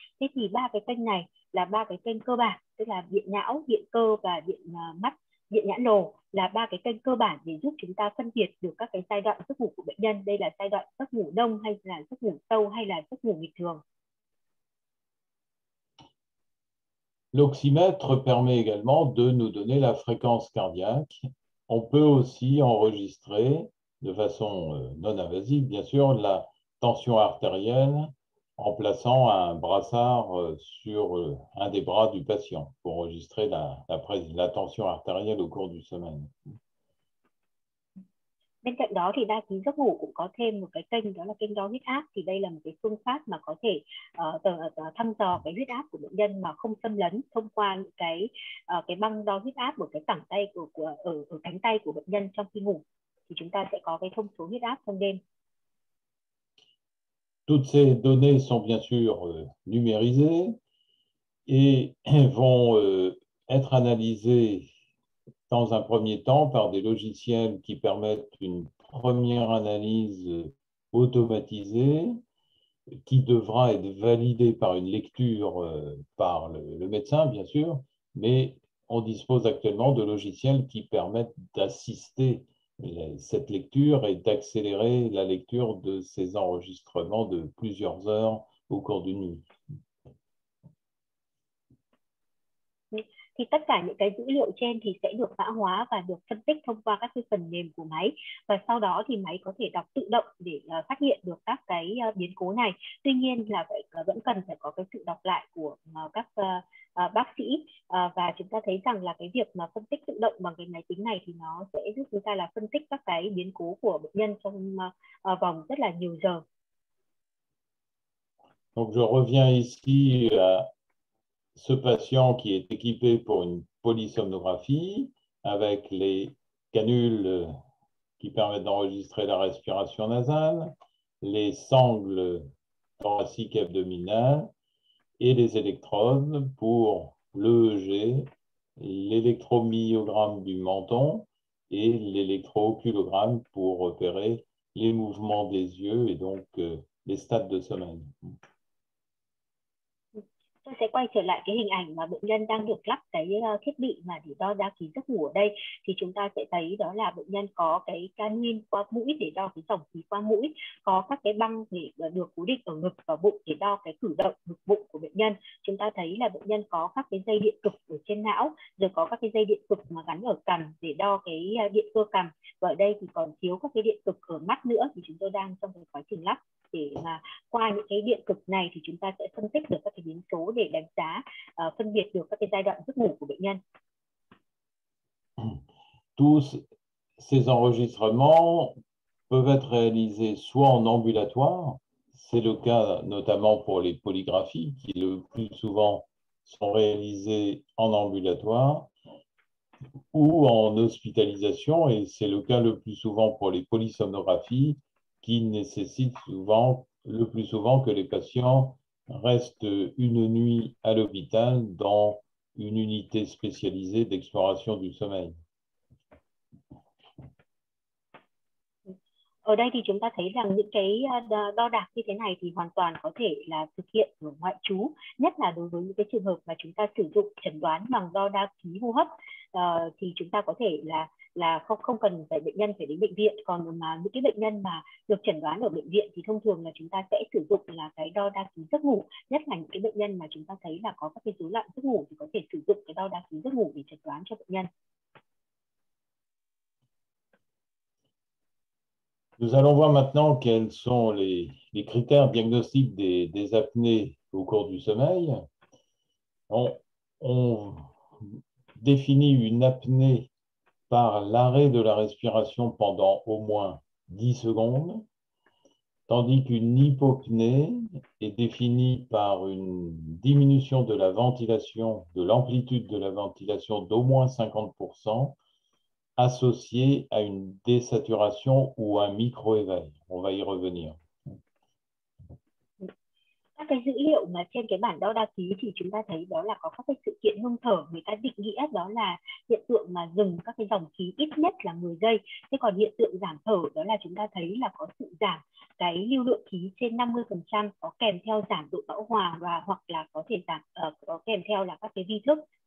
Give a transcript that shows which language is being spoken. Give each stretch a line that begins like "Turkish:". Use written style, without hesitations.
Vietnamese: Thế thì ba cái kênh này là ba cái kênh cơ bản, tức là điện não, điện cơ và điện mắt, điện nhãn lồ, là ba cái kênh cơ bản để giúp chúng ta phân biệt được các cái giai đoạn giấc ngủ của bệnh nhân. Đây là giai đoạn giấc ngủ đông hay là giấc ngủ sâu hay là giấc ngủ bình thường.
French: L'oxymètre permet également de nous donner la fréquence cardiaque. On peut aussi enregistrer de façon non invasive, bien sûr, la tension artérielle en plaçant un brassard sur un des bras du patient pour enregistrer la tension artérielle au cours du sommeil.
Vietnamese: Bên cạnh đó thì đa ký giấc ngủ cũng có thêm một cái kênh, đó là kênh đo huyết áp. Thì đây là một cái phương pháp mà có thể thăm dò cái huyết áp của bệnh nhân mà không xâm lấn, thông qua cái băng đo huyết áp của cái cẳng tay ở cánh tay của bệnh nhân trong khi ngủ, thì chúng ta sẽ có cái thông số huyết áp trong đêm.
French: Toutes ces données sont bien sûr numérisées et vont être analysées dans un premier temps par des logiciels qui permettent une première analyse automatisée qui devra être validée par une lecture par le médecin, bien sûr, mais on dispose actuellement de logiciels qui permettent d'assister cette lecture et d'accélérer la lecture de ces enregistrements de plusieurs heures au cours d'une nuit.
Vietnamese: Thì tất cả những cái dữ liệu trên thì sẽ được mã hóa và được phân tích thông qua các cái phần mềm của máy, và sau đó thì máy có thể đọc tự động để phát hiện được các cái biến cố này. Tuy nhiên là vẫn cần phải có cái sự đọc lại của các bác sĩ, và chúng ta thấy rằng là cái việc mà phân tích tự động bằng cái máy tính này thì nó sẽ giúp chúng ta là phân tích các cái biến cố của bệnh nhân trong vòng rất là nhiều giờ.
French: Donc je reviens ici à ce patient qui est équipé pour une polysomnographie avec les canules qui permettent d'enregistrer la respiration nasale, les sangles thoraciques abdominales et les électrodes pour l'EEG, l'électromyogramme du menton et l'électrooculogramme pour repérer les mouvements des yeux et donc les stades de sommeil.
Vietnamese: Tôi sẽ sẽ quay trở lại cái hình ảnh mà bệnh nhân đang được lắp cái thiết bị mà để đo đa ký giấc ngủ ở đây, thì chúng ta sẽ thấy đó là bệnh nhân có cái canin qua mũi để đo cái tổng khí qua mũi, có các cái băng để được cố định ở ngực và bụng để đo cái cử động ngực bụng của bệnh nhân. Chúng ta thấy là bệnh nhân có các cái dây điện cực ở trên não, rồi có các cái dây điện cực mà gắn ở cằm để đo cái điện cơ cằm, và ở đây thì còn thiếu các cái điện cực ở mắt nữa, thì chúng tôi đang trong cái quá trình lắp. Để mà qua những cái điện cực này thì chúng ta sẽ phân tích được các cái biến số để đánh giá, phân biệt được các cái giai đoạn giấc ngủ của bệnh nhân.
French: Tous ces enregistrements peuvent être réalisés soit en ambulatoire, c'est le cas notamment pour les polygraphies qui le plus souvent sont réalisées en ambulatoire, ou en hospitalisation, et c'est le cas le plus souvent pour les polysomnographies qui nécessite souvent, le plus souvent, que les patients restent une nuit à l'hôpital dans une unité spécialisée d'exploration du sommeil.
Vietnamese: Ở đây thì chúng ta thấy rằng những cái đo đạc như thế này thì hoàn toàn có thể là thực hiện ở ngoại trú, nhất là đối với những cái trường hợp mà chúng ta sử dụng chẩn đoán bằng đo đa ký hô hấp, thì chúng ta có thể là không cần phải bệnh nhân phải đến bệnh viện. Còn mà những cái bệnh nhân mà được chẩn đoán ở bệnh viện thì thông thường là chúng ta sẽ sử dụng là cái đo đa ký giấc ngủ, nhất là những cái bệnh nhân mà chúng ta thấy là có các cái rối loạn giấc ngủ thì có thể sử dụng cái đo đa ký giấc ngủ để chẩn đoán cho bệnh nhân.
French: Nous allons voir maintenant quels sont les critères diagnostiques des apnées au cours du sommeil. On définit une apnée par l'arrêt de la respiration pendant au moins 10 secondes, tandis qu'une hypopnée est définie par une diminution de la ventilation, de l'amplitude de la ventilation d'au moins 50%, associé à une désaturation ou un micro-éveil. On va y revenir.
Vietnamese: Các cái dữ liệu mà trên cái bản đo đa ký thì chúng ta thấy đó là có các cái sự kiện ngưng thở, người ta định nghĩa đó là hiện tượng mà dừng các cái dòng khí ít nhất là 10 giây. Thế còn hiện tượng giảm thở đó là chúng ta thấy là có sự giảm cái lưu lượng khí trên 50%, có kèm theo giảm độ bão hòa và hoặc là có thể giảm có kèm theo là các cái vi thức.